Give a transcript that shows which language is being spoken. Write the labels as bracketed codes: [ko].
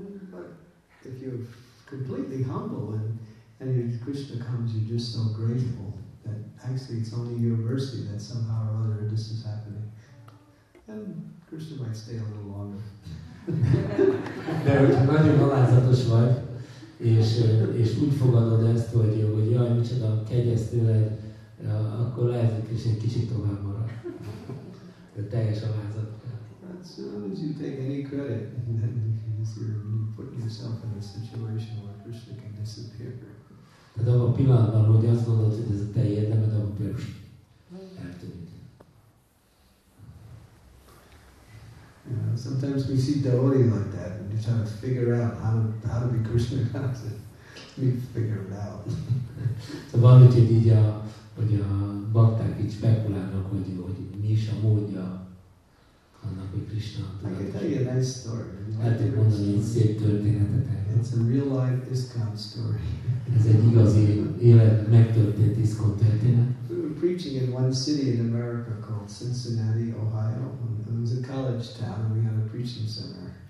[en] But if you're completely humble and if Krishna comes, you're just so grateful that actually it's only your mercy that somehow or other this is happening. And Krishna might stay a little longer. [hu] De hogyha nagyon alázatos vagy, és úgy fogadod ezt, hogy jaj, micsoda, kegyes tőled, akkor lehet, hogy Krishna egy kicsit tovább marad. De teljes alázat. [en] As soon as you take any credit, then you put yourself in a situation where Krishna can disappear. [hu] Tehát abban a pillanatban, hogy azt gondolod, hogy ez a te érdemed, abban a pillanatban eltűnik. [en] Yeah, sometimes we see devotee like that and we try to figure out how to be Krishna conscious. We figure it out. [hu] So van, hogy a bakták így spekulálnak, hogy mi is a módja annak, hogy Krishna [en] It's a real life ISKCON story. [hu] Ez egy igazi élet megtörtént ISKCON történet. [en] We were preaching in one city in America called Cincinnati, Ohio. And it was a college town and we had a preaching center.